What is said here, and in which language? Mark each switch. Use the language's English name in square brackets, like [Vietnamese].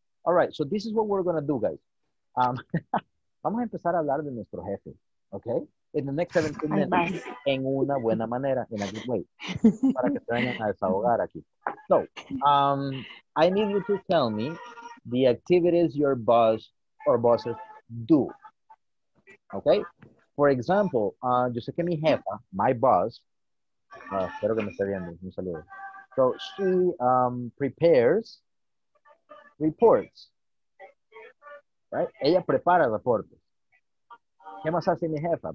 [English] All right, so this is what we're going to do, guys. [Spanish] vamos a empezar a hablar de nuestro jefe, okay? [English] In the next 17 minutes, [Spanish] en una buena manera, [English] in a good way, [Spanish] para que se vayan a desahogar aquí. [English] So, I need you to tell me the activities your boss or bosses do, okay? For example, [Spanish] yo sé que mi jefa, [English] my boss, [Spanish] espero que me esté viendo, un saludo. [English] So she prepares reports, right? [Spanish] Ella prepara reportes. ¿Qué más hace mi jefa?